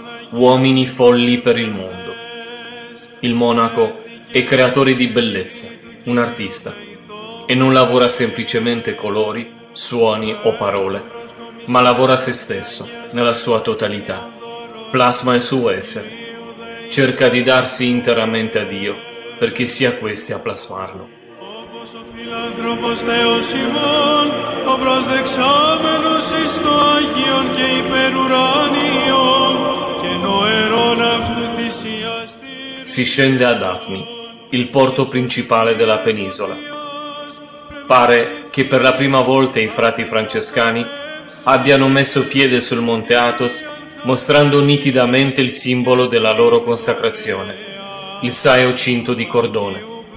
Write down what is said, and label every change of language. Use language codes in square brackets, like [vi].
[it] Uomini folli per il mondo. Il monaco è creatore di bellezza, un artista, e non lavora semplicemente colori, suoni o parole, ma lavora se stesso nella sua totalità, plasma il suo essere, cerca di darsi interamente a Dio perché sia questi a plasmarlo. [el] Φιλάνθρωπος Θεός ημών, ο προσδεξάμενος εις το Άγιον και υπερουράνιον, και νοερών αυτού θυσιαστή. [it] Si scende a Daphni, il porto principale della penisola. Pare che per la prima volta i frati francescani abbiano messo piede sul monte Athos, mostrando nitidamente il simbolo della loro consacrazione, il saio cinto di cordone.